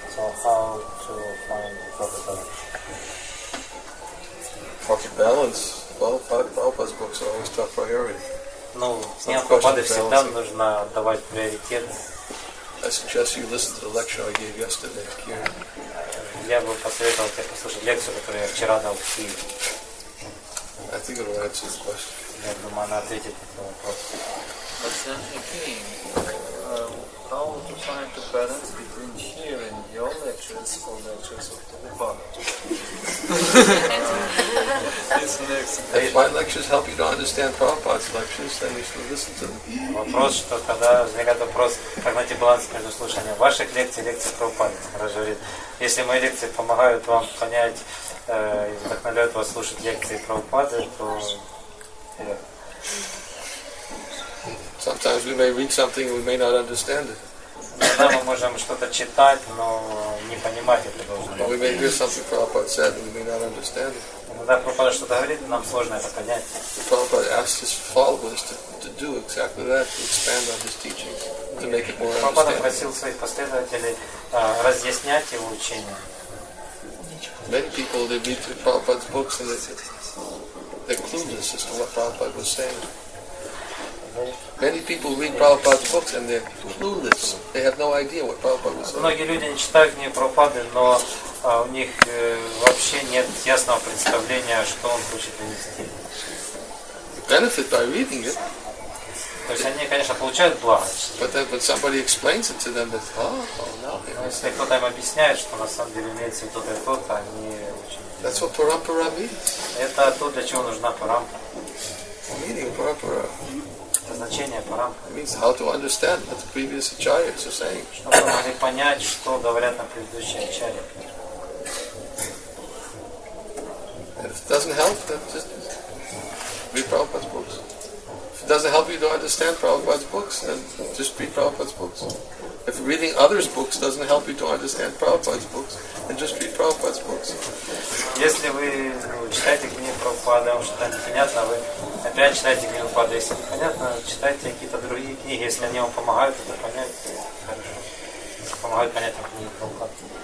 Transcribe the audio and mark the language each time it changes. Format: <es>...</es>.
<en>So how to find the proper balance? Proper balance? Well, Prabhupada's books are always top priority.</en> <ru>No, Prabhupada всегда нужно давать приоритет.</ru> <en>I suggest you listen to the lecture I gave yesterday at Kiev.</en> <ru>Я бы посоветовал тебе послушать лекцию, которую я вчера дал в Киеве.</ru> <en>I think it will answer the question.</en> <ru>Я думаю, она ответит на этот вопрос.</ru> <en>How to find the balance between here and your lectures for lectures of Prabhupada? If my lectures help you to understand Prabhupada's lectures, then you should listen to them.</en> <ru>Вопрос, что тогда возникает вопрос, как найти баланс между слушанием ваших лекций и лекций Прабхупады? Хорошо говорит, если мои лекции помогают вам понять и вдохновляют вас слушать лекции Прабхупады, то...</ru> <en>Sometimes we may read something and we may not understand it.</en> <ru>Иногда мы можем что-то читать, но не понимать это должно.</ru> <en>We may hear something Prabhupada said and we may not understand it.</en> <ru>Иногда Прабхупада что-то говорит, нам сложно это понять.</ru> <en>Prabhupada asked his followers to do exactly that, to expand on his teachings, to make it more understandable.</en> <ru>Прабхупада просил своих последователей разъяснять его учение.</ru> <en>Many people, they read through Prabhupada's books and they're clueless as to what Prabhupada was saying. Many people read Prabhupada's books and they're clueless. They have no idea what Prabhupada was saying.</en> <ru>Многие люди не читают книги Прабхупады, но у них вообще нет ясного представления, что он хочет донести.</ru> <en>Benefit by reading it.</en> <ru>То есть они, конечно, получают благо.</ru> <en>But then, when somebody explains it to them, that</en> <ru>если кто-то им объясняет, что на самом деле имеется тот и тот, они очень.</ru> <en>That's what parampara means.</en> <ru>Это то, для чего нужна парампа.</ru> <en>Meaning parampara.</en> <ru>Значение парампа.</ru> <en>It means how to understand what the previous acharyas are saying.</en> <ru>Чтобы могли понять, что говорят на предыдущие ачарьи.</ru> <en>If it doesn't help, then just read Prabhupada's books. If it doesn't help you to understand Prabhupada's books, then just read Prabhupada's books. If reading others' books doesn't help you to understand Prabhupada's books, then just read Prabhupada's books.</en> <ru>Если вы читаете книги Прабхупады, вам что-то непонятно, вы опять читаете книги Прабхупады. Если непонятно, читайте какие-то другие книги. Если они вам помогают это понять, хорошо. Помогают понять там книги Прабхупады.</ru>